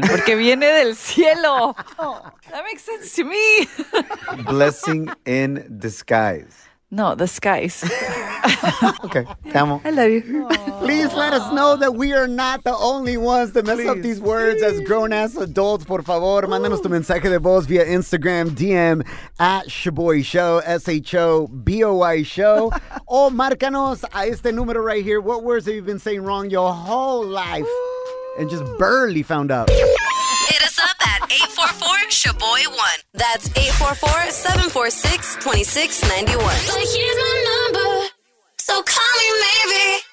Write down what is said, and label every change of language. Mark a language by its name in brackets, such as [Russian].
[English] Porque viene del cielo. Oh, that makes sense to me. Blessing in disguise. No, the skies. [Spanish] Okay, te amo. [English] I love you. Please let us know that we are not the only ones to mess up these words as grown-ass adults. [Spanish] Por favor, mándanos tu mensaje de voz via Instagram, DM, @Shaboy Show, S-H-O-B-O-Y Show. O márcanos a este número right here. [English] What words have you been saying wrong your whole life? And just barely found out. Hit us up at 844-SHABOY1. That's 844-746-2691. But here's my number, so call me maybe.